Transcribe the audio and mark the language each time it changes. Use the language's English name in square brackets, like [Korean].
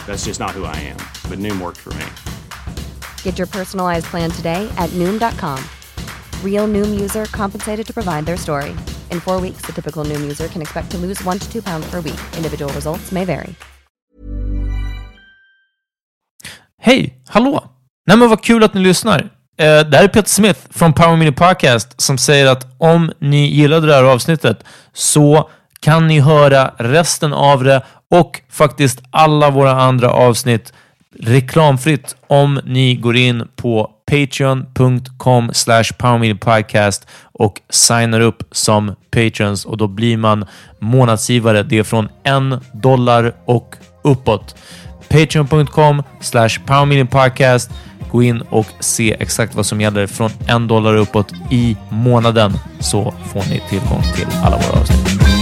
[English] That's just not who I am. But Noom worked for me. Get your personalized plan today at Noom.com. Real Noom user compensated to provide their story. In 4 weeks, the typical Noom user can expect to lose 1 to 2 pounds per week. Individual results may vary. [Swedish] Hej, hallå! Nej men vad kul att ni lyssnar. Det här är Peter Smith från Power Mini Podcast som säger att om ni gillade det här avsnittet så kan ni höra resten av det och faktiskt alla våra andra avsnitt reklamfritt om ni går in på patreon.com/powermedia podcast och signar upp som patrons och då blir man månadsgivare. Det är från $1 och uppåt. patreon.com/powermediapodcast. Gå in och se exakt vad som gäller från $1 uppåt i månaden så får ni tillgång till alla våra avsnitt.